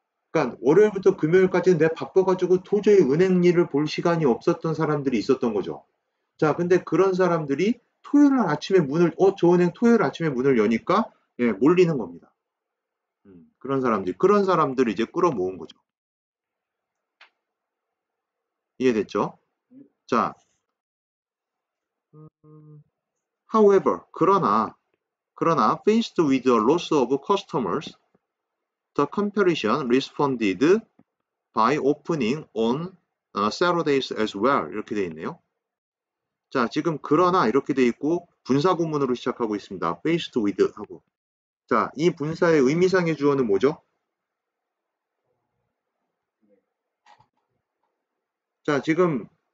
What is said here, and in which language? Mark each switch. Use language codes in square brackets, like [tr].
[ko] 그러니까 월요일부터 금요일까지는 내 바빠가지고 도저히 은행 일을 볼 시간이 없었던 사람들이 있었던 거죠. 자, 근데 그런 사람들이 토요일 아침에 문을 저 은행 토요일 아침에 문을 여니까 예, 몰리는 겁니다. 그런 사람들을 이제 끌어모은 거죠. 이해됐죠? [en] 자, however, [ko] 그러나, [en] faced with the loss of customers, the competition responded by opening on Saturdays as well. [ko] 이렇게 돼 있네요. 자, 지금 그러나 이렇게 돼 있고, 분사 구문으로 시작하고 있습니다. faced with 하고. 자, 이 분사의 의미상의 주어는 뭐죠? 자, 지금